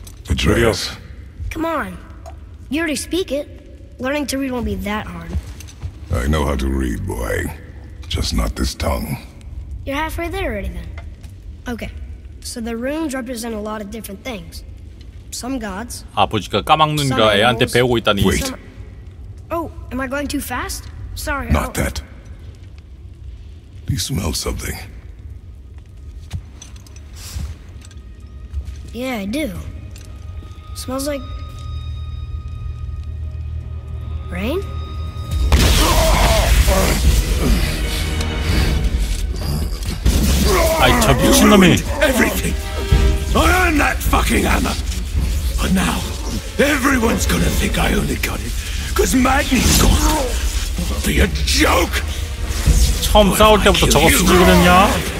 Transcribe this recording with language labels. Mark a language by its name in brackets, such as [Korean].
[English] Atreus. Come on. You already speak it. Learning to read won't be that hard. I know how to read, boy. Just not this tongue. You're halfway there already, then. Okay. So the runes represent a lot of different things. Some gods. [Korean] 아버지가 까막눈이라 애한테 배우고 있다니. [English] Wait. Oh, am I going too fast? Sorry. Not that. Do you smell something? Yeah, I do. Smells like rain? I took you to me. Everything. I earned that fucking hammer. But now everyone's gonna think I only got it. 'Cause Magni's gone. Be a joke. [Korean] 처음 싸울 때부터 저거 쓰지 그랬냐?